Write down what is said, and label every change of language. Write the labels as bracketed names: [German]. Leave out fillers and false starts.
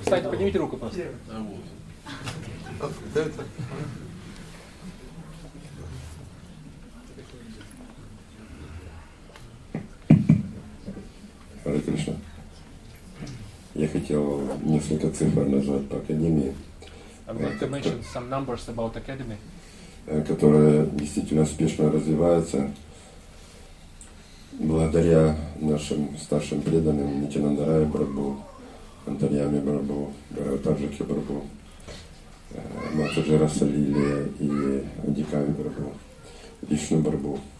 [Russian] Кстати, поднимите руку, пожалуйста. Харе Кришна. Я хотел несколько цифр назвать по академии. [English] I'd like to mention some numbers about academy. [Russian] Которая действительно успешно развивается благодаря нашим старшим преданным Нитянанда Рая Прабху, Антарьяме Прабху, Гарватаджике Прабху, Матаджи Расалили и Адиками Прабху, Вишну Прабху.